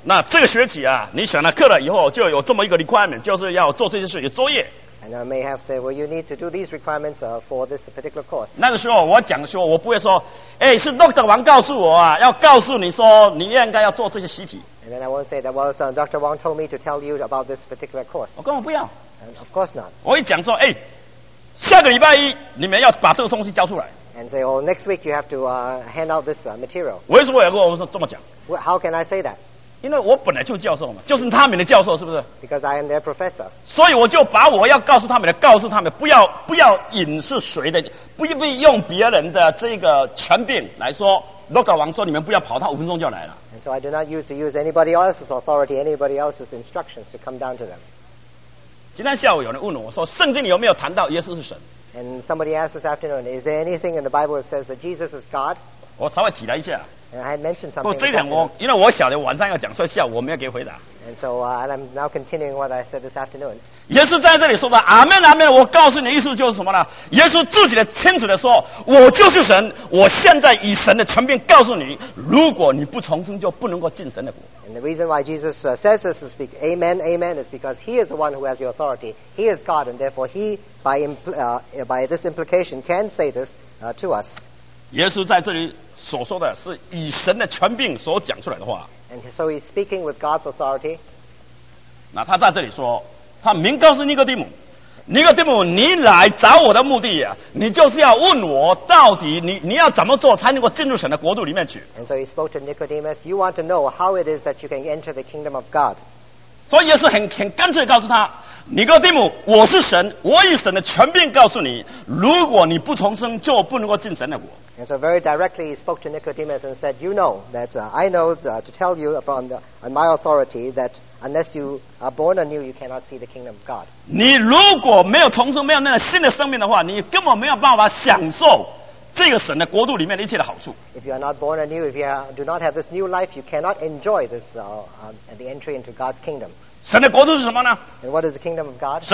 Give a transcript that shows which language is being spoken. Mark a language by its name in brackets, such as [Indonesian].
[Chinese] 那这个学期啊，你选了课了以后，就有这么一个 requirement, 就是要做这些事，有作业。 [English] And I may have said, well, you need to do these requirements for this particular course. [Chinese] 那个时候我讲的时候，我不会说，哎，是 Dr. Wang 告诉我啊，要告诉你说你应该要做这些习题。 [English] And then I won't say that, well, so Dr. Wang told me to tell you about this particular course. [Chinese] 我根本不要。 [English] And of course not. [Chinese] 我一讲说，哎，下个礼拜一你们要把这个东西交出来。 [English] And say, well, next week you have to hand out this material. [Chinese] 为什么我要跟我们这么讲？ [English] How can I say that? [Chinese] 因为我本来就是教授嘛，就是他们的教授，是不是？ [English] Because I am their professor. [Chinese] 所以我就把我要告诉他们的告诉他们，不要隐是谁的，不必用别人的这个权柄来说。 Logan 王说你们不要跑，他五分钟就来了。 [English] And so I do not use to use anybody else's authority, anybody else's instructions to come down to them. [Chinese] 今天下午有人问我说，圣经里有没有谈到耶稣是神？ [English] And somebody asked this afternoon, is there anything in the Bible that says that Jesus is God? [Chinese] 我稍微挤了一下。 [English] And I had mentioned [Chinese] something. 不，这一点我因为我晓得晚上要讲，所以下午我没有给回答。 [English] And so I'm now continuing what I said this afternoon. [Chinese] 耶稣在这里说的阿门阿门，我告诉你的意思就是什么呢？耶稣自己的清楚的说，我就是神，我现在以神的权柄告诉你，如果你不重生，就不能够进神的国。 [English] And the reason why Jesus says this is because Amen, Amen is because He is the one who has the authority. He is God, and therefore He by this implication can say this to us. [Chinese] 耶稣在这里。所说的是以神的权柄所讲出来的话。 [English] And so he's speaking with God's authority. [Chinese] 那他在这里说，他明告诉尼哥底母，尼哥底母，你来找我的目的啊，你就是要问我到底你要怎么做才能够进入神的国度里面去。 [English] And so he spoke to Nicodemus, you want to know how it is that you can enter the kingdom of God. [Chinese] 所以耶稣很干脆告诉他，尼哥底母，我是神，我以神的权柄告诉你，如果你不重生，就不能够进神的国。 [English] And so very directly he spoke to Nicodemus and said, you know that I know to tell you upon my authority that unless you are born anew, you cannot see the kingdom of God. [Chinese] 你如果没有重生，没有那个新的生命的话，你根本没有办法享受这个神的国度里面的一切的好处。 [English] If you are not born anew, if you do not have this new life, you cannot enjoy this the entry into God's kingdom. [Chinese] 神的国度是什么呢？ [English] And what is the kingdom of God?